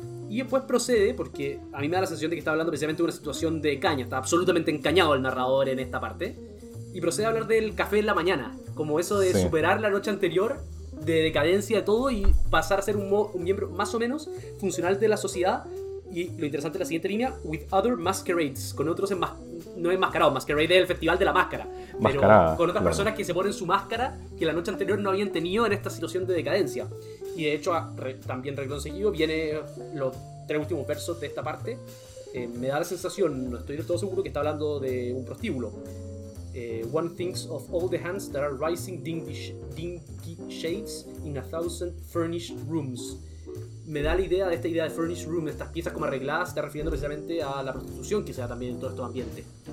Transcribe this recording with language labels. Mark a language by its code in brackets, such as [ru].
[es] Y después procede, porque a mí me da la sensación de que está hablando precisamente de una situación de caña, está absolutamente encañado el narrador en esta parte, y procede a hablar del café en la mañana, como eso de superar la noche anterior, de decadencia de todo, y pasar a ser un miembro más o menos funcional de la sociedad, y lo interesante es la siguiente línea, [en] with other masquerades, [es] con otros enmascarados, masquerade es el festival de la máscara, mascarada, pero con otras personas que se ponen su máscara, que la noche anterior no habían tenido en esta situación de decadencia. Y de hecho, también reconseguido, viene los tres últimos versos de esta parte. Me da la sensación, no estoy del todo seguro, que está hablando de un prostíbulo. [en] One thinks of all the hands that are rising dingy shades in a thousand furnished rooms. [es] Me da la idea de esta idea de [en] furnished room, [es] de estas piezas como arregladas, está refiriendo precisamente a la prostitución que se da también en todo este ambiente.